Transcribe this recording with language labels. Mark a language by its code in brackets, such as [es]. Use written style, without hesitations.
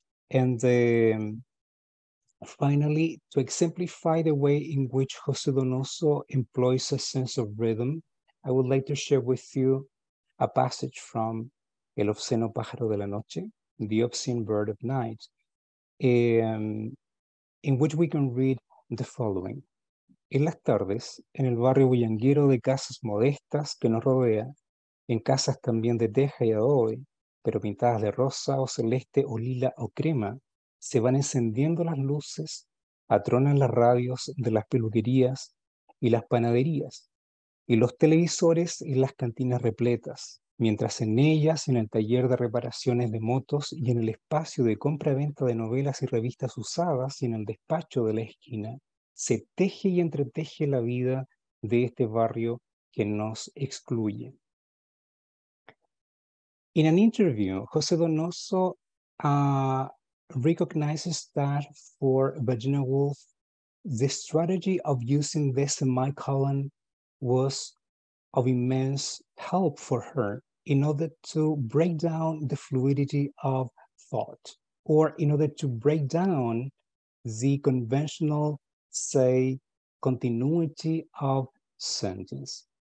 [en] And finally, to exemplify the way in which José Donoso employs a sense of rhythm, I would like to share with you a passage from El Obsceno Pájaro de la Noche, The Obscene Bird of Night, in which we can read the following. [es] En las tardes, en el barrio bullanguero de casas modestas que nos rodea, en casas también de teja y adobe, pero pintadas de rosa o celeste o lila o crema, se van encendiendo las luces, atronan las radios de las peluquerías y las panaderías, y los televisores y las cantinas repletas, mientras en ellas, en el taller de reparaciones de motos y en el espacio de compra-venta de novelas y revistas usadas y en el despacho de la esquina, se teje y entreteje la vida de este barrio que nos excluye. [en] In an interview, José Donoso recognizes that for Virginia Woolf, the strategy of using the semicolon was of immense help for her in order to break down the fluidity of thought, or in order to break down the conventional, say, continuity of sentence.